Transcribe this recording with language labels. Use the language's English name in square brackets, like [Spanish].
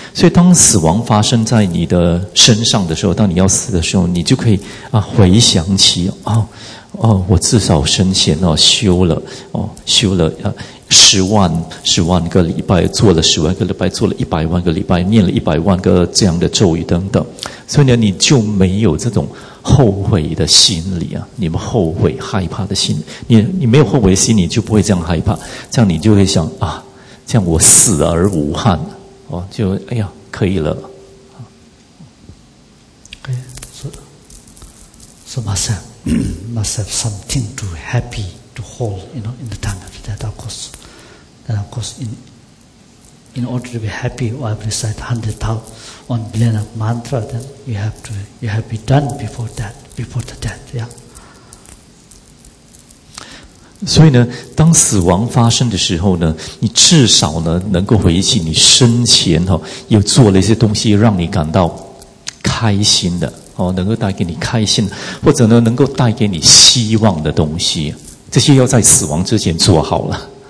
[Chinese] 所以当死亡发生在你的身上的时候，当你要死的时候，你就可以啊回想起啊，哦，我至少生前哦修了哦修了十万个礼拜，做了十万个礼拜，做了一百万个礼拜，念了一百万个这样的咒语等等。所以呢，你就没有这种后悔的心理啊，你们后悔害怕的心理，你没有后悔心理，你就不会这样害怕，这样你就会想啊，这样我死而无憾，哦，就哎呀可以了。 [English] Okay, so must have something to happy to hold, you know, in the time of that. Of course, in order to be happy, or have recited 100,000 billion of mantra, then you have to be done before the death, yeah. [Chinese] 所以呢，当死亡发生的时候呢，你至少呢能够回忆起你生前哈，又做了一些东西让你感到开心的哦，能够带给你开心，或者呢能够带给你希望的东西，这些要在死亡之前做好了。